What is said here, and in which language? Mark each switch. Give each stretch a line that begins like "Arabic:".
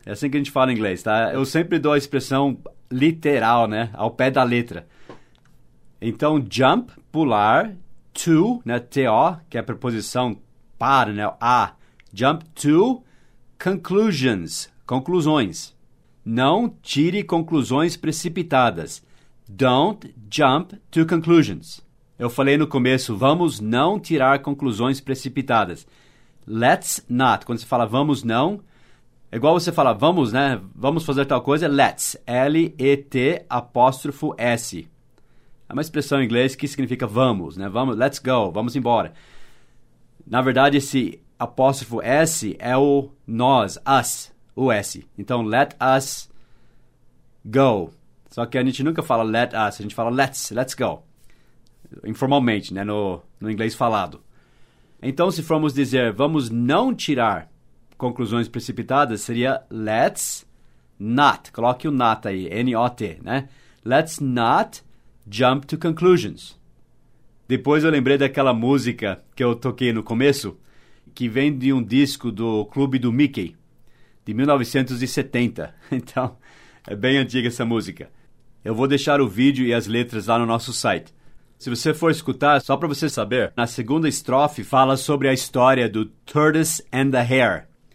Portuguese: É assim que a gente fala em inglês, tá? Eu sempre dou a expressão literal, né? Ao pé da letra. Então, jump, pular, to, né? T-O, que é a preposição para, né? A.
English: Jump to conclusions.
Portuguese: Conclusões. Não tire conclusões precipitadas.
English: Don't jump to conclusions.
Portuguese: Eu falei no começo, vamos não tirar conclusões precipitadas.
English: Let's not.
Portuguese: Quando você fala vamos não, é igual você falar, vamos, né? Vamos fazer tal coisa, let's, L-E-T apóstrofo S. É uma expressão em inglês que significa vamos, né? Vamos,
English: let's go,
Portuguese: vamos embora. Na verdade, esse apóstrofo S é o nós, us, o S. Então,
English: let us go.
Portuguese: Só que a gente nunca fala
English: let us,
Portuguese: a gente fala
English: let's go.
Portuguese: Informalmente, né? No inglês falado. Então, se formos dizer, vamos não tirar conclusões precipitadas, seria
English: let's not,
Portuguese: coloque o not aí, N-O-T, né?
English: Let's not jump to conclusions.
Portuguese: Depois eu lembrei daquela música que eu toquei no começo, que vem de um disco do Clube do Mickey, de 1970, então é bem antiga essa música. Eu vou deixar o vídeo e as letras lá no nosso site. Se você for escutar, só para você saber, na segunda estrofe fala sobre a história do Tortoise and the Hare.